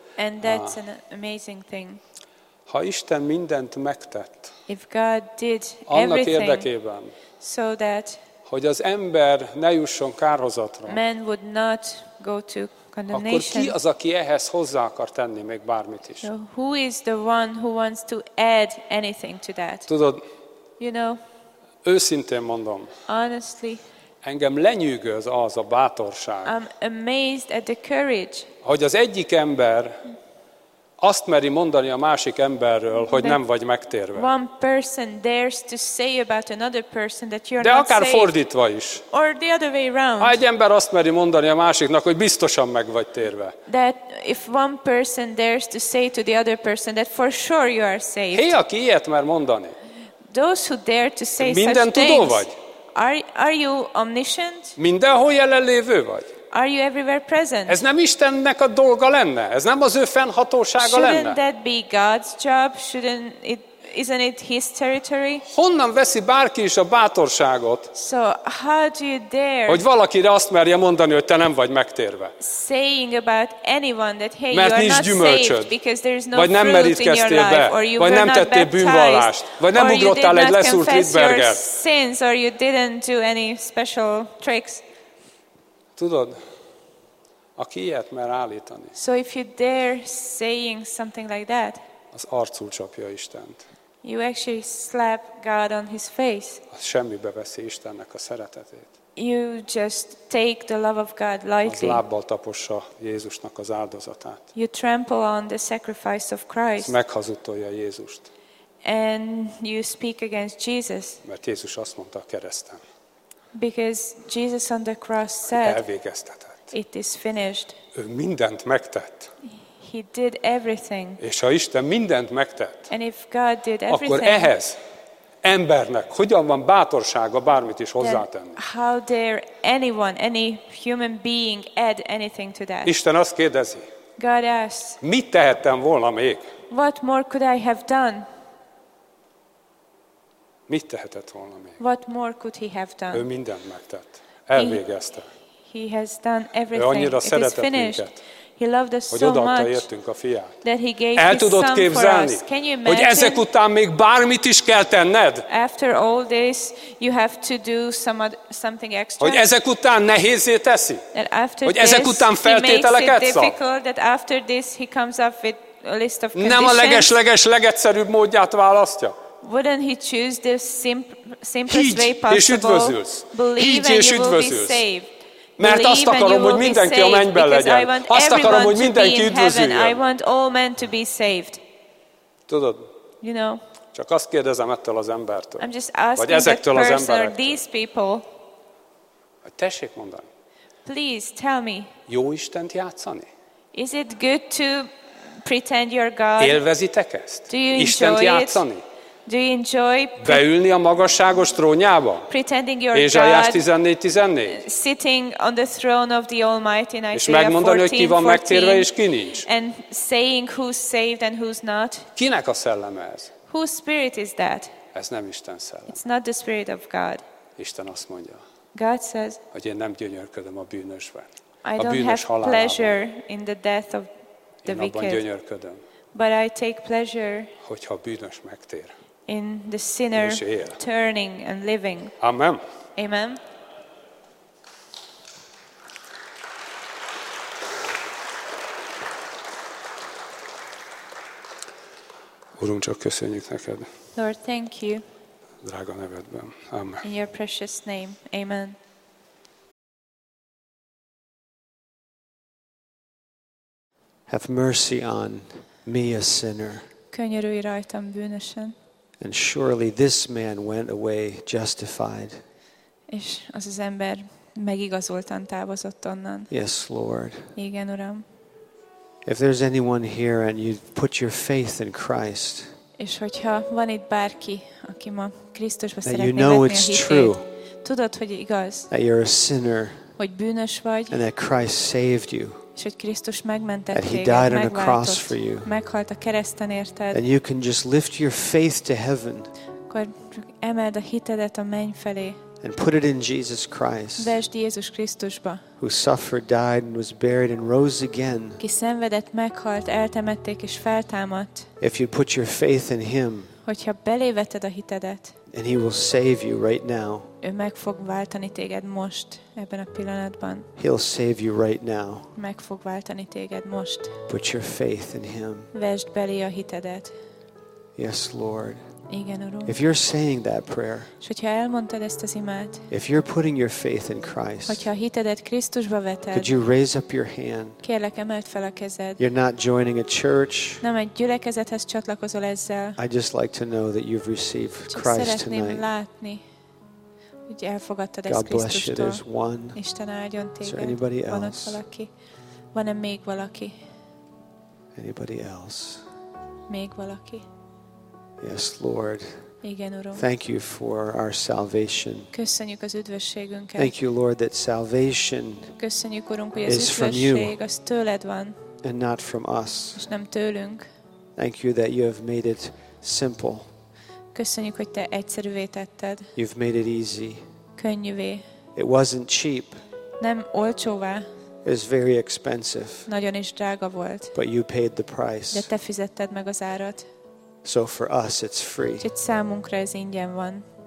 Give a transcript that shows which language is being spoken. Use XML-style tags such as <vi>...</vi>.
<en>And that's an amazing thing.</en> <hu>Ha Isten mindent megtett,</hu> <en>if God did</en> <hu>annak érdekében,</hu> <en>so that</en> <hu>hogy az ember ne jusson kárhozatra,</hu> <en>man would not go to</en> <hu>akkor ki az, aki ehhez hozzá akar tenni még bármit is?</hu> <en>So who is the one who wants to add anything to that?</en> <hu>Tudod,</hu> <en>You know,</en> <hu>őszintén mondom.</hu> <en>Honestly,</en> <hu>engem lenyűgöz az a bátorság.</hu> <en>I'm amazed at the courage.</en> <hu>Hogy az egyik ember azt meri mondani a másik emberről, hogy nem vagy megtérve.</hu> <en>One person dares to say about another person that you're not saved.</en> <hu>De akár fordítva is.</hu> <en>Or the other way around.</en> <hu>Ha egy ember azt meri mondani a másiknak, hogy biztosan meg vagy térve.</hu> <en>That if one person dares to say to the other person that for sure you are saved.</en> <hu>Hé, aki ilyet mer mondani.</hu> <en>Those who dare to say</en> <hu>minden</hu> <en>such things.</en> <hu>Tudó vagy.</hu> <en>Are you omniscient?</en> <hu>Mindenhol jelenlévő vagy.</hu> <en>Are you everywhere present?</en> <hu>Ez nem Istennek a dolga lenne? Ez nem az ő fennhatósága lenne?</hu> <en>Shouldn't that be God's job? Isn't it his territory?</en> <hu>Honnan veszi bárki is a bátorságot?</hu> <en>So how do you dare?</en> <hu>Hogy valakire azt merje mondani, hogy te nem vagy megtérve.</hu> <en>Saying about anyone that hey,</en> <hu>mert</hu> <en>you are not</en> <hu>gyümölcsöd,</hu> <en>saved because there is no</en> <hu>vagy nem merítkeztél be, vagy nem tettél bűnvallást, vagy nem ugrottál egy leszúrt Lidberget.</hu> <en>Sins, or you didn't do any special tricks.</en> <hu>Tudod, aki ilyet mer állítani?</hu> <en>So if you dare saying something like that,</en> <hu>az arcul csapja Istent.</hu> <en>You actually slap God on his face.</en> <hu>Az semmibe veszi Istennek a szeretetét.</hu> <en>You just take the love of God lightly.</en> <hu>Az lábbal tapossa Jézusnak az áldozatát.</hu> <en>You trample on the sacrifice of Christ.</en> <hu>Az meghazudtolja Jézust.</hu> <en>And you speak against Jesus.</en> <hu>Mert Jézus azt mondta a kereszten.</hu> <en>Because Jesus on the cross said,</en> <hu>elvégeztetett.</hu> <en>It is finished.</en> <hu>Ő mindent megtett.</hu> <en>He did everything.</en> <hu>És ha Isten mindent megtett,</hu> <en>and if God did everything,</en> <hu>akkor ehhez embernek hogyan van bátorsága bármit is hozzátenni?</hu> <en>How dare anyone, any human being add anything to that?</en> <hu>Isten azt kérdezi.</hu> <en>God asks.</en> <hu>Mit tehettem volna még?</hu> <en>What more could I have done?</en> <hu>Mit tehetett volna még?</hu> <en>What more could he have done?</en> <hu>Ő mindent megtett. Elvégezte.</hu> <en>He has done everything.</en> <hu>Ő annyira szeretett minket.</hu> <en>He loved us</en> <hu>hogy</hu> <en>so</en> <hu>odaadta</hu> <en>much,</en> <hu>értünk a fiát.</hu> <en>That he gave</en> <hu>el</hu> <en>his</en> <hu>tudod</hu> <en>son</en> <hu>képzelni,</hu> <en>for us. Can you imagine,</en> <hu>hogy ezek után még bármit is kell tenned?</hu> <en>After all this, you have to do something extra.</en> <hu>Hogy ezek után nehézé teszi?</hu> <en>That after</en> <hu>hogy</hu> <en>this,</en> <hu>ezek után feltételeket szab?</hu> <en>That after this, he comes up with a list of conditions.</en> <hu>Nem a legegyszerűbb módját választja?</hu> <en>Wouldn't he choose the simplest way possible? Believe</en> <hu>és</hu> <en>and you will be saved.</en> <hu>Mert azt akarom, hogy mindenki a mennyben legyen. Azt akarom, hogy mindenki üdvözüljön.</hu> <en>I want all men to be saved.</en> <hu>Tudod?</hu> <en>You know?</en> <hu>Csak azt kérdezem ettől az embertől.</hu> <en>I'm just asking</en> <hu>vagy ezektől</hu> <en>that</en> <hu>az emberektől.</hu> <en>Person or these people.</en> <hu>Hogy tessék mondani.</hu> <en>Please tell me.</en> <hu>Jó Istent játszani?</hu> <en>Is it good to pretend you're God?</en> <hu>Élvezitek ezt?</hu> <en>Do you</en> <hu>Istent</hu> <en>enjoy</en> <hu>játszani?</hu> <en>It? Do you enjoy</en> <hu>beülni a magasságos trónjába?</hu> <en>Pretending you're</en> <hu>God. Ézsaiás 14:14.</hu> <en>Sitting on the throne of the Almighty in Isaiah 14:14.</en> <hu>És megmondani, hogy ki van megtérve és ki nincs.</hu> <en>And saying who's saved and who's not.</en> <hu>Kinek a szelleme ez?</hu> <en>Whose spirit is that?</en> <hu>Ez nem Isten szelleme.</hu> <en>It's not the spirit of God.</en> <hu>Isten azt mondja.</hu> <en>God says.</en> <hu>Hogy én nem gyönyörködöm a bűnösben.</hu> <en>I don't</en> <hu>bűnös</hu> <en>have pleasure in the death of the wicked.</en> <hu>Én abban gyönyörködöm.</hu> <en>But I take pleasure.</en> <hu>Hogyha bűnös megtér.</hu> <en>In the sinner turning and living. Amen. Amen.</en> <hu>Urunk, csak köszönjük neked.</hu> <en>Lord, thank you.</en> <hu>Drága nevedben. Amen.</hu> <en>In your precious name. Amen. Have mercy on me, a sinner.</en> <hu>Könyörülj rajtam bűnösen.</hu> <en>And surely this man went away justified.</en> <hu>És az az ember megigazoltan távozott onnan.</hu> <en>Yes, Lord.</en> <hu>Igen, Uram.</hu> <en>If there's anyone here and you put your faith in Christ.</en> <hu>És hogyha van itt bárki, aki ma Krisztusba szeretné vetni a hitét.</hu> <en>You know it's true.</en> <hu>Tudod, hogy igaz.</hu> <en>That you're a sinner.</en> <hu>Hogy bűnös vagy.</hu> <en>And that Christ saved you.</en> <hu>És hogy Krisztus megmentett téged,</hu> <en>that he died on a cross for you.</en> <hu>Meghalt a kereszten érted.</hu> <en>And you can just lift your faith to heaven.</en> <hu>Akkor emeld a hitedet a menny felé.</hu> <en>And put it in Jesus Christ.</en> <hu>Vesd Jézus Krisztusba.</hu> <en>Who suffered, died and was buried and rose again.</en> <hu>Ki szenvedett, meghalt, eltemették és feltámadt.</hu> <en>If you put your faith in him.</en> <hu>Hogyha belévetted a hitedet.</hu> <en>And he will save you right now.</en> <hu>Ő meg fog váltani téged most, ebben a pillanatban.</hu> <en>He'll save you right now.</en> <hu>Meg fog váltani téged most.</hu> <en>Put your faith in him.</en> <hu>Vesd belé a hitedet.</hu> <en>Yes, Lord.</en> <hu>Igen, Uram.</hu> <en>If you're saying that prayer,</en> <hu>és hogyha elmondtad ezt az imát,</hu> <en>if you're putting your faith in Christ,</en> <hu>hogyha a hitedet Krisztusba veted,</hu> <en>could you raise up your hand?</en> <hu>Kérlek, emeld fel a kezed.</hu> <en>You're not joining a church.</en> <hu>Nem egy gyülekezethez csatlakozol ezzel.</hu> <en>I'd just like to know that you've received Christ tonight.</en> <hu>Csak szeretném látni, hogy elfogadtad ezt Krisztustól.</hu> <en>God bless you. There's one.</en> <hu>Isten áldjon téged.</hu> <en>Is there anybody else?</en> <hu>Van ott valaki? Van-e még valaki?</hu> <en>Anybody else?</en> <hu>Még valaki?</hu> <en>Yes, Lord.</en> <hu>Igen, Uram.</hu> <en>Thank you for our salvation.</en> <hu>Köszönjük az üdvösségünket.</hu> <en>Thank you, Lord, that salvation</en> <hu>köszönjük, Urunk, hogy az üdvösség,</hu> <en>is from you</en> <hu>az tőled van,</hu> <en>and not from us.</en> <hu>És nem tőlünk.</hu> <en>Thank you that you have made it simple.</en> <hu>Köszönjük, hogy te egyszerűvé tetted.</hu> <en>You've made it easy.</en> <hu>Könnyűvé.</hu> <en>It wasn't cheap.</en> <hu>Nem olcsóvá.</hu> <en>Is very expensive.</en> <hu>Nagyon is drága volt.</hu> <en>But you paid the price.</en> <hu>De te fizetted meg az árat.</hu> <en>So for us it's free.</en> <hu>Úgyhogy számunkra ez ingyen van.</hu>